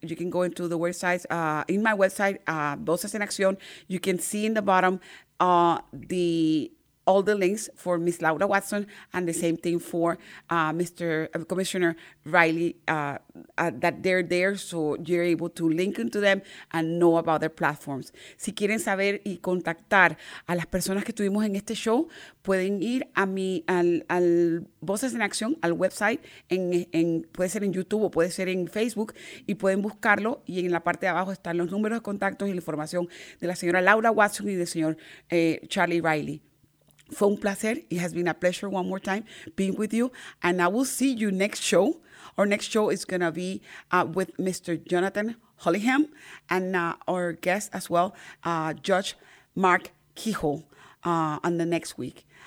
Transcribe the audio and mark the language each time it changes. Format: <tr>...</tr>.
<en>You can go into the websites. In my website, Voces en Acción, you can see in the bottom all the links for Ms. Laura Watson and the same thing for Mr. Commissioner Riley, that they're there, so you're able to link into them and know about their platforms.</en> <es>Si quieren saber y contactar a las personas que tuvimos en este show, pueden ir a al Voces en Acción, al website, puede ser en YouTube o puede ser en Facebook, y pueden buscarlo, y en la parte de abajo están los números de contactos y la información de la señora Laura Watson y del señor Charlie Riley. Fue un placer.</es> <en>It has been a pleasure one more time being with you. And I will see you next show. Our next show is going to be with Mr. Jonathan Hollingham and our guest as well, Judge Mark Kehoe, on the next week.</en>